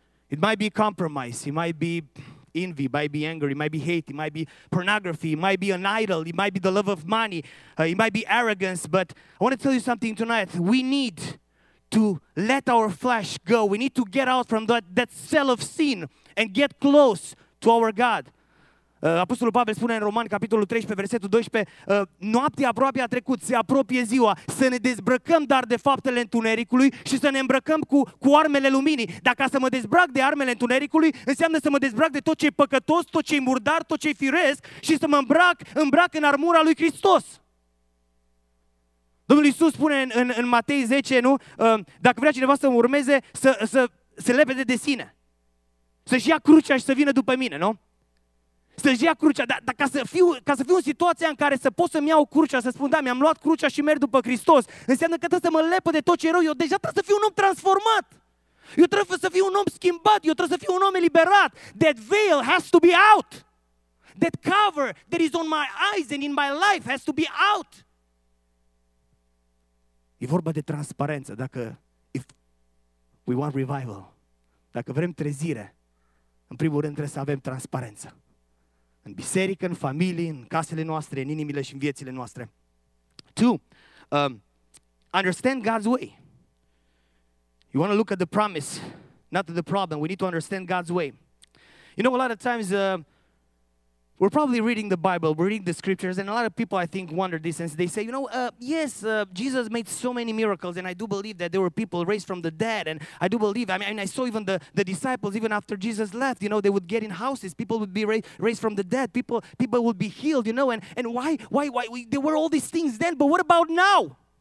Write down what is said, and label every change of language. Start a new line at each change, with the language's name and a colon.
English: It might be compromise. It might be envy. It might be anger. It might be hate. It might be pornography. It might be an idol. It might be the love of money. It might be arrogance. But I want to tell you something tonight. We need to let our flesh go. We need to get out from that cell of sin and get close to our God.
Romanian: Apostolul Pavel spune în Romani, capitolul 13, versetul 12, noaptea aproape a trecut, se apropie ziua, să ne dezbrăcăm dar de faptele întunericului și să ne îmbrăcăm cu armele luminii. Dacă să mă dezbrac de armele întunericului, înseamnă să mă dezbrac de tot ce e păcătos, tot ce e murdar, tot ce e firesc și să mă îmbrac în armura lui Hristos. Domnul Iisus spune în Matei 10, nu? Dacă vrea cineva să mă urmeze, să se lepede de sine, să-și ia crucea și să vină după mine, nu? Să-și ia crucea, ca să fiu în situația în care să pot să-mi iau crucea, să spun, da, mi-am luat crucea și merg după Hristos, înseamnă că trebuie să mă lepă de tot ce e rău, eu deja trebuie să fiu un om transformat. Eu trebuie să fiu un om schimbat, eu trebuie să fiu un om eliberat.
English: That veil has to be out. That cover that is on my eyes and in my life has to be out.
Romanian: E vorba de transparență, dacă
English: if we want revival,
Romanian: dacă vrem trezire, în primul rând trebuie să avem transparență. În biserică, în familie, în casele noastre, în inimile și în viețile noastre.
English: Two, understand God's way. You want to look at the promise, not at the problem. We need to understand God's way. You know, a lot of times, we're probably reading the Bible, we're reading the scriptures, and a lot of people, I think, wonder this, and they say, you know, Jesus made so many miracles, and I do believe that there were people raised from the dead, and I do believe, I mean, I saw even the disciples, even after Jesus left, you know, they would get in houses, people would be raised from the dead, people would be healed, you know, and why, there were all these things then, but what about now?